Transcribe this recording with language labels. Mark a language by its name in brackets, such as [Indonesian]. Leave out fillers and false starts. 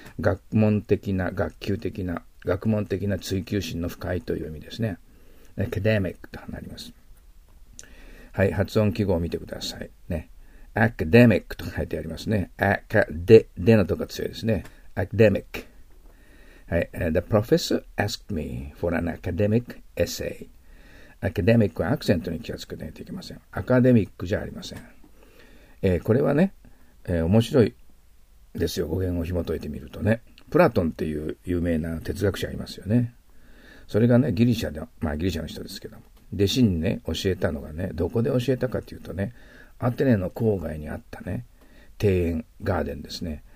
[Japanese] 学問的な、学級的な、学問的な追求心の深いという意味ですね。 Academic となります。はい、発音記号を見てください。ね。アカデミックと書いてありますね。アカデ、デのとこが強いですね。アカデミック。はい。 [English] The professor asked me for an academic essay. [Japanese] アカデミックはアクセントに気をつけないといけません。アカデミックじゃありません。これはね、面白いですよ。語源を紐解いてみるとね。プラトンっていう有名な哲学者ありますよね。それがね、ギリシャで、まあギリシャの人ですけど、弟子にね、教えたのがね、どこで教えたかというとね、アテネの郊外にあったね、庭園、ガーデンですね。